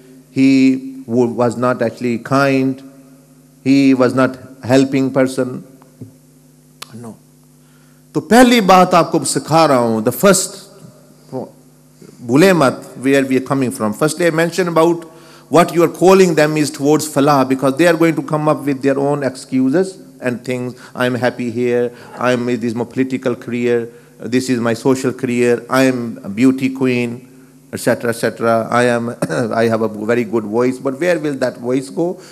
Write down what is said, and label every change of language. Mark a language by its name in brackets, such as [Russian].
[English] He was not actually kind. He was not helping person. No. [Urdu] तो पहली बात आपको सिखा रहा हूं, [English] the first, [Urdu] भूले मत, [English] where we are coming from. Firstly, I mentioned about what you are calling them is towards falah, because they are going to come up with their own excuses and things. I am happy here, I am, this is my political career, this is my social career, I am a beauty queen, etc., etc. I am, I have a very good voice, but where will that voice go?